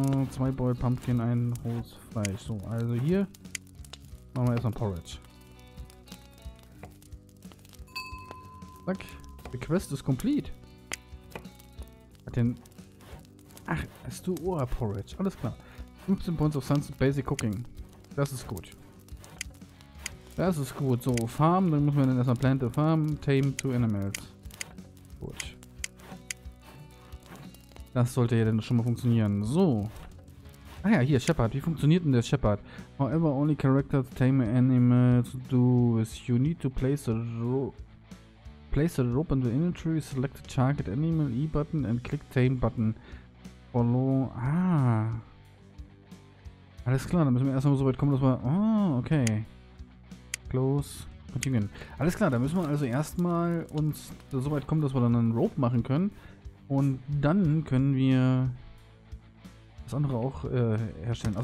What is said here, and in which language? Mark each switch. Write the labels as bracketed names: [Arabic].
[German] Zwei Boiled Pumpkin, ein hohes Fleisch. So, also hier machen wir erstmal Porridge. [English] Zack, the quest is complete. [German] Hat den. Ach, hast du Ohr Porridge? Alles klar. [English] 15 Points of Sunset Basic Cooking. [German] Das ist gut. Das ist gut. So, Farm, dann müssen wir dann erstmal [English] Plant a Farm. Tame two animals. [German] Gut. Das sollte ja dann schon mal funktionieren. So. Ah ja, hier, Shepard. Wie funktioniert denn der Shepard? [English] However, only characters tame animals do is you need to place a rope in the inventory, select the target animal, E button and click tame button. Follow. Ah. [German] Alles klar, dann müssen wir erstmal so weit kommen, dass wir. Oh, okay. [English] Close. Continuing. [German] Alles klar, dann müssen wir also erstmal uns so weit kommen, dass wir dann einen Rope machen können. Und dann können wir das andere auch herstellen.